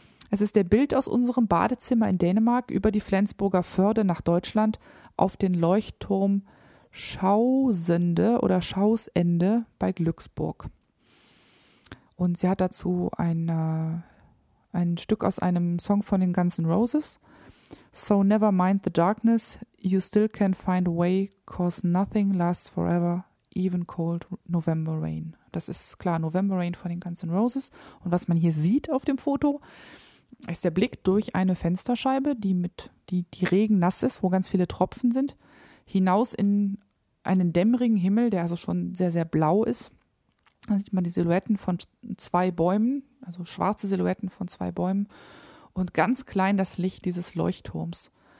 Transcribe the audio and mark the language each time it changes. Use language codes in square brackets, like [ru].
[de] Es ist der Bild aus unserem Badezimmer in Dänemark über die Flensburger Förde nach Deutschland auf den Leuchtturm Schausende bei Glücksburg. Und sie hat dazu ein Stück aus einem Song von den Guns N' Roses. [en] So never mind the darkness, you still can find a way, cause nothing lasts forever, even cold November rain. [de] Das ist klar November rain von den Guns N' Roses. Und was man hier sieht auf dem Foto, ist der Blick durch eine Fensterscheibe, die regennass ist, wo ganz viele Tropfen sind, hinaus in einen dämmerigen Himmel, der also schon sehr, sehr blau ist. Da sieht man die Silhouetten von zwei Bäumen, also schwarze Silhouetten von zwei Bäumen und ganz klein das Licht dieses Leuchtturms.